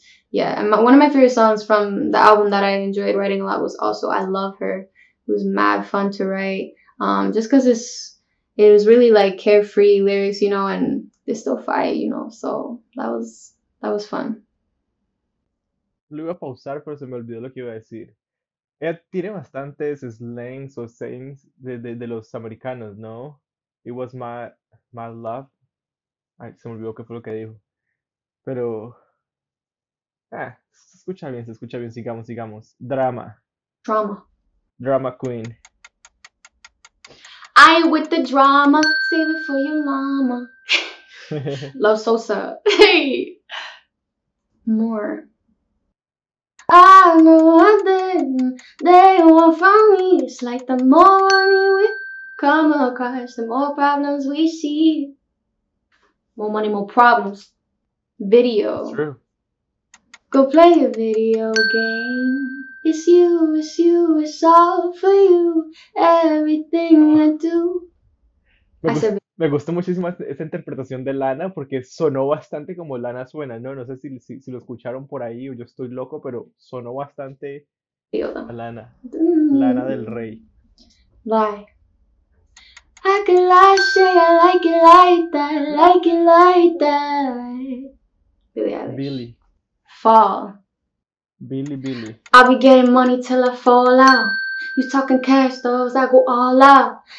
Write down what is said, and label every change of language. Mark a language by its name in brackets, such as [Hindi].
[English] Yeah, and one of my favorite songs from the album that I enjoyed writing a lot was also I Love Her. It was mad fun to write. Just because it was really like carefree lyrics, you know, and they still fight, you know, so that was fun. [Spanish] Lo iba a pausar, pero se me olvidó lo que iba a decir. Ella tiene bastantes slangs o sayings de los americanos, ¿no? [English] It was my love. [Spanish] Ay, se me olvidó qué fue lo que dijo. Pero, se escucha bien, se escucha bien. Sigamos. Drama. [English] Trauma. Drama Queen. I ain't with the drama, save it for your llama. Love Sosa. Hey! More. I know what they want from me. It's like the more money we come across, the more problems we see. More money, more problems. It's Video. true. Go play a video game. It's you, it's you, it's all for you. Everything I do. [Spanish] Me [English] I said. [Spanish] gustó muchísimo esa interpretación de Lana porque sonó bastante como Lana suena. No sé si lo escucharon por ahí o yo estoy loco, pero sonó bastante a Lana. Lana del Rey. [English] Lie. I could lie, say I like it like that, like it like that. Billie Eilish. Billy. Fall. Billy. I'll be getting money till I fall out. You talking cash, though, I go all out.